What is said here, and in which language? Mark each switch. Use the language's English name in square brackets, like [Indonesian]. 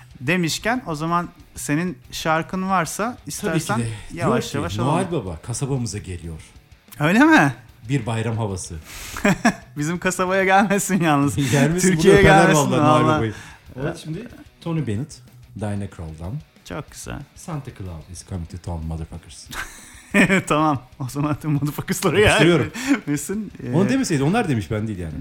[Turkish] Demişken o zaman senin şarkın varsa istersen yavaş yok ki. Noel alalım. Baba kasabamıza geliyor. Öyle mi? Bir bayram havası. Bizim kasabaya gelmesin yalnız. Gelmesin, Türkiye'ye gelmesin. Evet, şimdi Tony Bennett, Diana Krall'dan. Çok güzel. [English] Santa Claus is coming to town, motherfuckers. [Turkish] Tamam. O zaman tüm motherfuckers'ları yani. Yapıştırıyorum. Mesin, onu demeseydi. Onlar demiş, ben değil yani.